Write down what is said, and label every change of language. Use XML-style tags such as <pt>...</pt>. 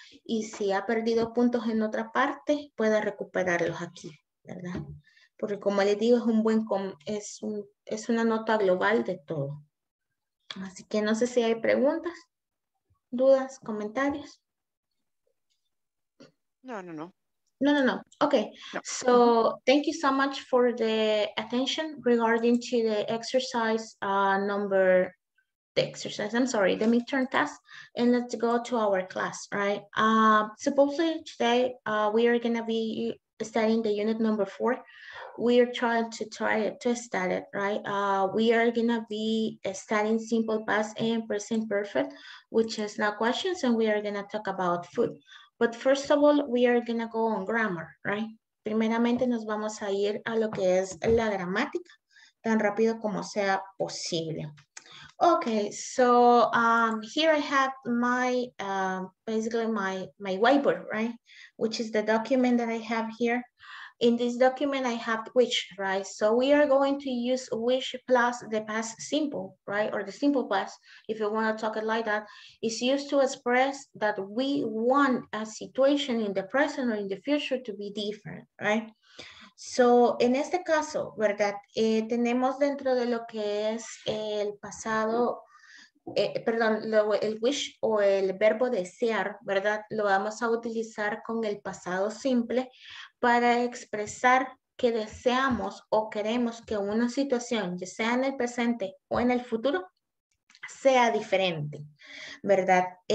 <es>Y si ha perdido puntos en otra parte, pueda recuperarlos aquí, ¿verdad? Porque como les digo, es una nota global de todo. Así que no sé si hay preguntas, dudas, comentarios. No, no, no. No, no, no. Okay. No.</es> <en>So thank you so much for the attention regarding to the exercise number, the exercise, I'm sorry, the midterm test, and let's go to our class, right? Supposedly today we are gonna be studying the unit number 4. We are trying to study it, right? We are gonna be studying simple past and present perfect, which is now questions, and we are gonna talk about food. But first of all, we are gonna go on grammar, right?</en> <es>Primeramente nos vamos a ir a lo que es la gramática, tan rápido como sea posible.</es> <en>Okay, so here I have my, basically my whiteboard, right? Which is the document that I have here. In this document, I have which, right? So we are going to use which plus the past simple, right? Or the simple past, if you want to talk it like that, is used to express that we want a situation in the present or in the future to be different, right?</en> <es>So en este caso, ¿verdad? Tenemos dentro de lo que es el pasado, perdón, el wish o el verbo desear, ¿verdad? Lo vamos a utilizar con el pasado simple para expresar que deseamos o queremos que una situación, ya sea en el presente o en el futuro, sea diferente, ¿verdad?</es>